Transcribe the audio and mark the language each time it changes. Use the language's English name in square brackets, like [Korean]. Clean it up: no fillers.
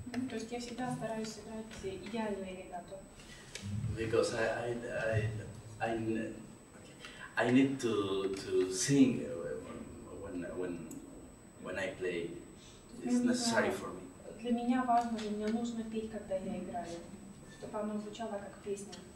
[Russian] То есть я всегда стараюсь играть идеальное легато. [English] Because I need to sing when I play. It's necessary for me. [Russian] Для меня важно, и мне нужно петь, когда я играю, чтобы оно звучало как песня.